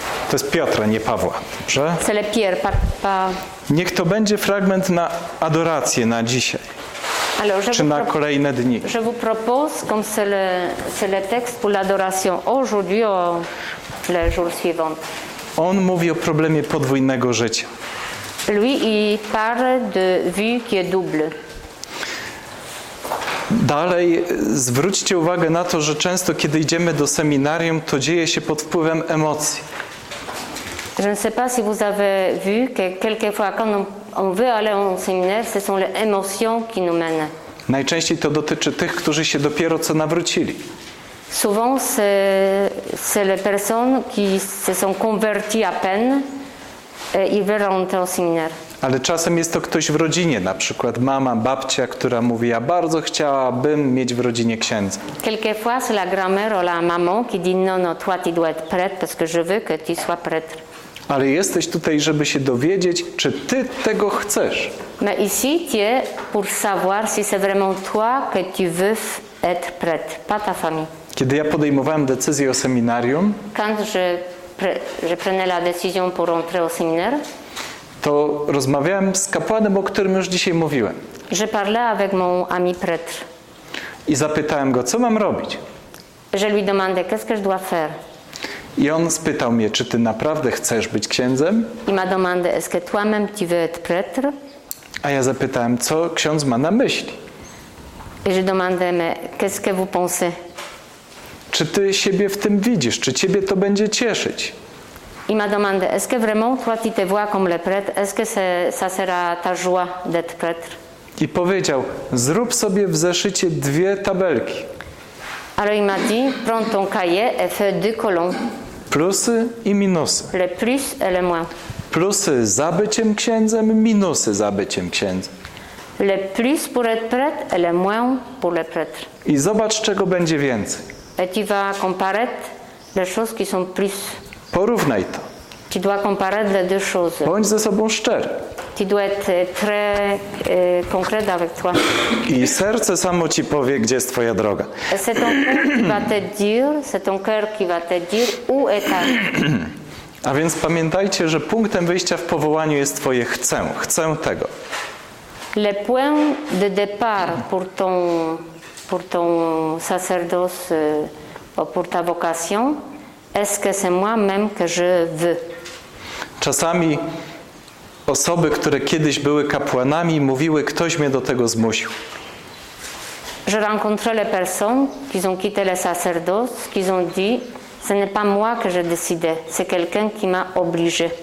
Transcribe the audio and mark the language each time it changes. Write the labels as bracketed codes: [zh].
[pl] To jest Piotra, nie Pawła. Dobrze? [fr] C'est le Pierre, [pl] Niech to będzie fragment na adorację na dzisiaj. [fr] Alors, [pl] czy na kolejne dni. [fr] Je vous propose, comme c'est le texte pour l'adoration aujourd'hui ou le jour suivant. [pl] On mówi o problemie podwójnego życia. [fr] Lui, il parle de vie qui est double. [pl] Dalej, zwróćcie uwagę na to, że często, kiedy idziemy do seminarium, to dzieje się pod wpływem emocji. [fr] Je ne sais pas si vous avez vu que quelquefois quand on veut aller au séminaire, ce sont les émotions qui nous mènent. [pl] Najczęściej to dotyczy tych, którzy się dopiero co nawrócili. [fr] Souvent c'est les personnes qui se sont converties à peine et ils veulent entrer au séminaire. [pl] Ale czasem jest to ktoś w rodzinie, na przykład mama, babcia, która mówi, ja bardzo chciałabym mieć w rodzinie księdza. [fr] Quelquefois c'est la grand-mère ou la maman qui dit non, toi tu dois être prêtre parce que je veux que tu sois prêtre. [pl] Ale jesteś tutaj, żeby się dowiedzieć, czy ty tego chcesz. [fr] Mais ici tu es pour savoir si c'est vraiment toi que tu veux être prêtre, pas ta famille. [pl] Kiedy ja podejmowałem decyzję o seminarium, [fr] quand je prenais la décision pour entrer au séminaire, [pl] to rozmawiałem z kapłanem, o którym już dzisiaj mówiłem. [fr] Je parlais avec mon ami prêtre. [pl] I zapytałem go, co mam robić. [fr] Je lui demandais, qu'est-ce que je dois faire? [pl] I on spytał mnie, czy ty naprawdę chcesz być księdzem? [fr] Il m'a demandé, est-ce que toi-même tu veux être prêtre? [pl] A ja zapytałem, co ksiądz ma na myśli? [fr] Et je demandais, mais qu'est-ce que vous pensez? [pl] Czy ty siebie w tym widzisz? Czy ciebie to będzie cieszyć? [fr] Il m'a demandé, est-ce que vraiment toi tu te vois comme le prêtre? Est-ce que ça sera ta joie d'être prêtre? [pl] I powiedział, zrób sobie w zeszycie dwie tabelki. [fr] Alors il m'a dit, prends ton cahier et fais deux colonnes. [pl] Plusy i minusy. [fr] Le plus et le moins. [pl] Plusy za byciem księdzem, minusy za byciem księdzem. [fr] Le plus pour être prêtre et le moins pour le prêtre. [pl] I zobacz, czego będzie więcej. [fr] Et tu vas comparer les choses qui sont plus. [pl] Porównaj to. [fr] Tu dois comparer les deux choses. [pl] Bądź ze sobą szczery. [fr] Tu dois être très concret avec toi. [pl] I serce samo ci powie, gdzie jest twoja droga. [fr] C'est ton cœur qui va te dire où est ta. [pl] A więc pamiętajcie, że punktem wyjścia w powołaniu jest twoje chcę. Chcę tego. [fr] Le point de départ pour ton sacerdoce ou pour ta vocation, est-ce que c'est moi-même que je veux? [pl] Czasami osoby, które kiedyś były kapłanami, mówiły, ktoś mnie do tego zmusił. [fr] Je rencontre les personnes qui ont quitté le sacerdoce, qui ont dit, ce n'est pas moi que je décide, c'est quelqu'un qui m'a obligé.